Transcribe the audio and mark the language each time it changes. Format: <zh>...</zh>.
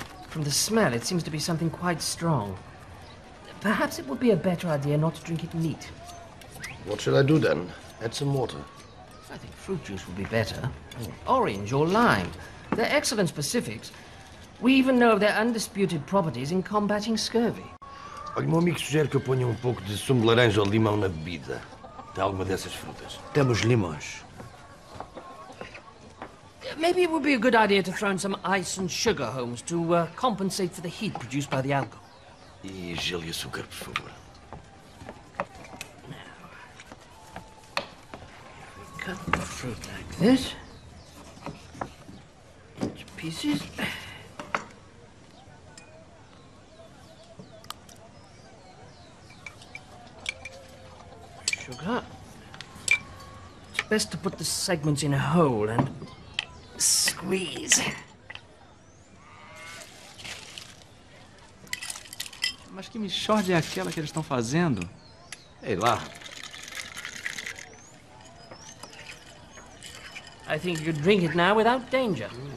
<en>From the smell, it seems to be something quite strong. Perhaps it would be a better idea not to drink it neat. What should I do then? Add some water. I think fruit juice would be better. Orange or lime. They're excellent specifics. We even know of their undisputed properties in combating scurvy.</en> <pt>Olha, meu amigo sugere que eu ponha um pouco de sumo de laranja ou limão na bebida. De alguma dessas frutas. Temos limões.</pt> <en>Maybe it would be a good idea to throw in some ice and sugar, Holmes, to compensate for the heat produced by the alcohol.</en> <pt>E gelo e açúcar, por favor.</pt> <en>Cut the fruit like this. Into pieces. Sugar. It's best to put the segments in a hole and squeeze.</en> <pt>Mas que mixórdia é aquela que eles estão fazendo? Ei lá.</pt> <en>I think you could drink it now without danger.</en>